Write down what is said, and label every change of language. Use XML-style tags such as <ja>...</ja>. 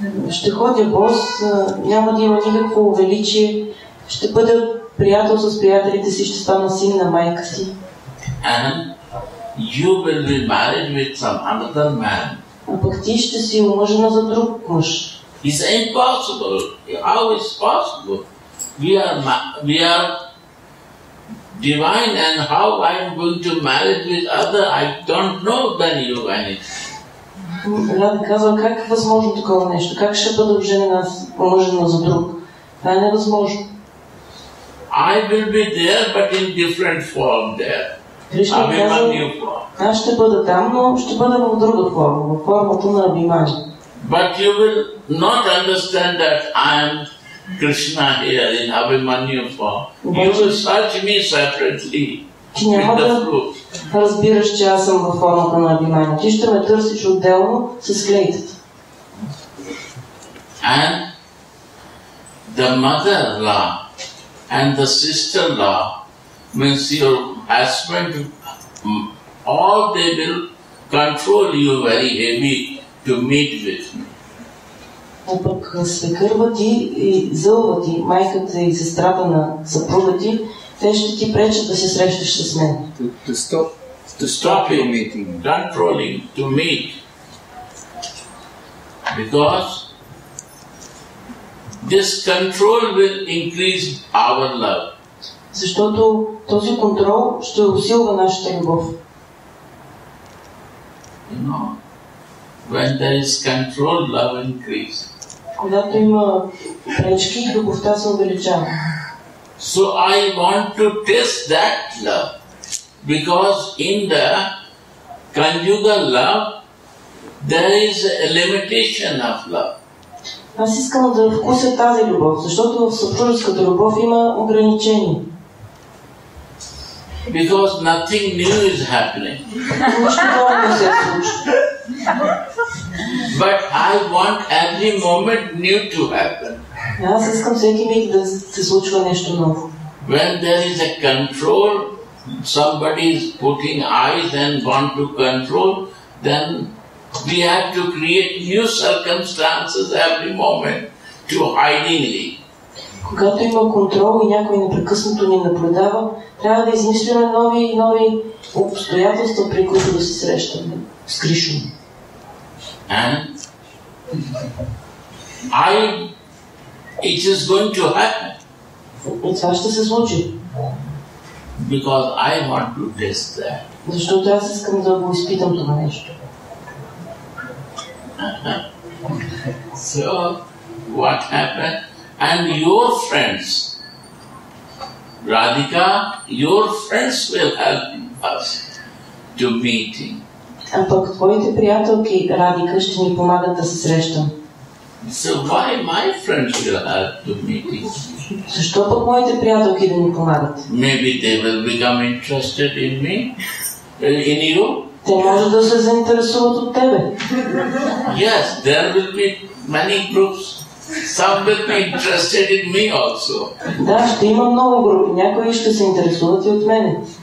<bg>Ще ходя бос, няма да има никакво величие, ще бъда приятел с приятелите си, ще стана син на майка си.</bg> <en>And you will be married with some another man.</en> <bg>А пък ти ще си омъжена за друг мъж.</bg> <en>It's impossible. How is possible? We are divine and how I am going to marry with other, I don't know than you anything.</en> <bg>Ради казва, как е възможно такова нещо? Как ще бъда женена, омъжена за друг? Това е невъзможно.</bg> <en>I will be there, but in different form there.</en> <bg>Кришна казва, аз ще бъда там, но ще бъда в друга форма, в формата на Абимани.</bg> <en>But you will not understand that I am Krishna here in Abhimanyu form. You will search me separately.</en> <bg>Ти няма да разбираш, че аз съм във формата на Абимани. Ти ще ме търсиш отделно с клейтата.</bg> <en>And the mother-in-law and the sister-in-law means your husband, all they will control you very heavy to meet with me.</en> <bg>А пък свекърва ти и зълва ти, майката и сестрата на съпруга ти, те ще ти пречат да се срещаш с мен.</bg> <en>To stop your meeting. Controlling, to meet. Because this control will increase our love.</en> <bg>Защото този контрол ще усилва нашата любов.</bg> <en>You know, when there is control, love increase.</en> <bg>Когато има пречки, любовта се увеличава.</bg> <en>So I want to test that love, because in the conjugal love there is a limitation of love.</en> <bg>Аз искам да вкуся тази любов, защото в съпружеската любов има ограничения.</bg> <en>Because nothing new is happening.</en> <bg>Нищо ново не се случва.</bg> <en>But I want every moment new to happen.</en> <bg>Аз искам всеки миг да се случва нещо ново.</bg> <en>When there is a control, somebody is putting eyes and want to control, then we have to create new circumstances every moment to hidingly.</en> <bg>Когато има контрол и някой непрекъснато ни наблюдава, трябва да измислиме нови и нови обстоятелства, при които да се срещаме с Кришна.</bg> <en>And it is going to happen.</en> <bg>И това ще се случи.</bg> <en>Because I want to test that.</en> <bg>Защото аз искам да го изпитам това нещо.</bg> <en>So, what happened? And your friends, Radhika, your friends will help us to meet him.</en> <bg>А пък твоите приятелки, Радика, ще ни помагат да се срещам.</bg> <en>So why my friends will help to meet him?</en> <bg>Защо пък моите приятелки да ни помагат?</bg> <en>Maybe they will become interested in me, in you.</en> <bg>Те може да се заинтересуват от тебе.</bg> <en>Yes, there will be many groups. Some will be interested in me also.</en> <bg>Да, ще има много групи. Някои ще се интересуват и от мене.</bg>